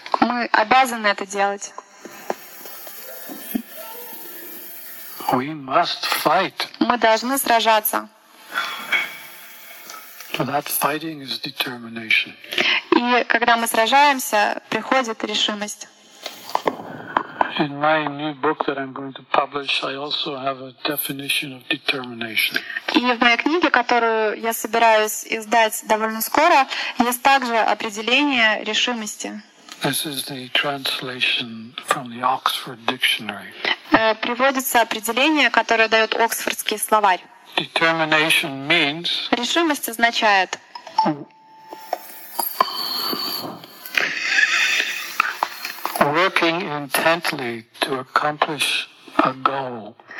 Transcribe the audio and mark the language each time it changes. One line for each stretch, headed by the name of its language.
Russian: Мы обязаны это делать.
English: We must fight.
Russian: Мы должны сражаться.
English: That fighting is determination.
Russian: И когда мы сражаемся, приходит решимость.
English: In my new book that I'm going to publish, I also have a definition of determination.
Russian: И в моей книге, которую я собираюсь издать довольно скоро, есть также определение решимости.
English: This is the translation from the Oxford Dictionary.
Russian: Приводится определение, которое дает Оксфордский словарь.
English: Determination means.
Russian: Решимость означает.
English: Working intently to accomplish a goal.